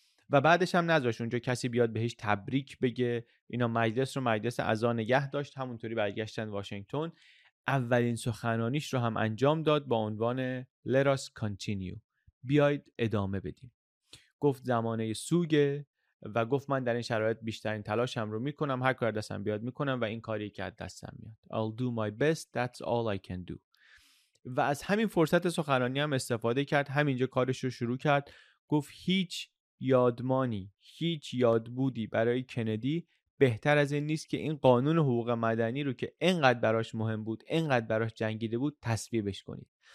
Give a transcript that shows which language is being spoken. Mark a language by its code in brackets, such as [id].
[fa] و بعدش هم نذاشت اونجا کسی بیاد بهش تبریک بگه اینا، مجلس رو مجلس عزا نگه داشت، همونطوری برگشتن واشنگتن. اولین سخنرانیش رو هم انجام داد با عنوان [en] Let us continue، [fa] بیاید ادامه بدیم. گفت زمانه سوگه و گفت من در این شرایط بیشترین تلاشم رو میکنم، هر کار دستم بیاد میکنم و این کاری که دستم میاد. [en] I'll do my best, that's all I can do. [fa] و از همین فرصت سخنرانی هم استفاده کرد، همینجا کارش رو شروع کرد. گفت هیچ یادمانی، هیچ یادبودی برای کندی بهتر از این نیست که این قانون حقوق مدنی رو که اینقدر براش مهم بود، اینقدر براش جنگیده بود، تصویبش کنید.